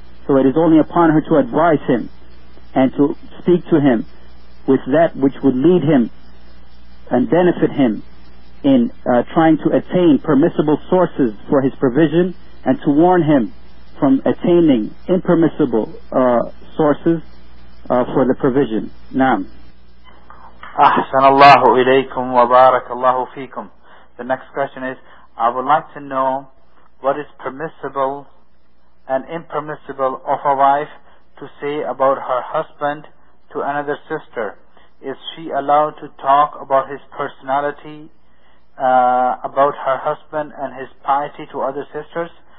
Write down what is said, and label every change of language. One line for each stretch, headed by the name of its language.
English: So it is only upon her to advise him and to speak to him with that which would lead him and benefit him in trying to attain permissible sources for his provision, and to warn him from attaining impermissible sources for the provision.
Arabic: Naam. أحسن الله إليكم وبارك الله فيكم.
English: The next question is, I would like to know what is permissible and impermissible of a wife to say about her husband to another sister. Is she allowed to talk about his personality, about her husband and his piety to other sisters?